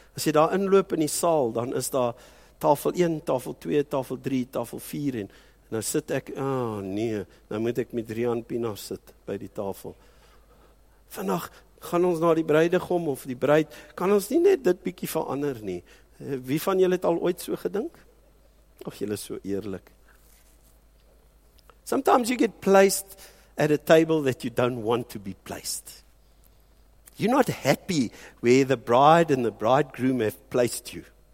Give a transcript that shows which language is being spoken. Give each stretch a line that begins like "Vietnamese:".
Afrikaans: As jy daar inloop in die saal, dan is daar tafel 1, tafel 2, tafel 3, tafel 4 en nou sit ek, nou moet ek met Rian Pina sit by die tafel. Vandag gaan ons na die bruidegom of die bruid, kan ons nie net dit bietjie verander nie. Wie van julle het al ooit so gedink? Of julle so eerlik?
English: Sometimes you get placed at a table that you don't want to be placed. You're not happy where the bride and the bridegroom have placed you.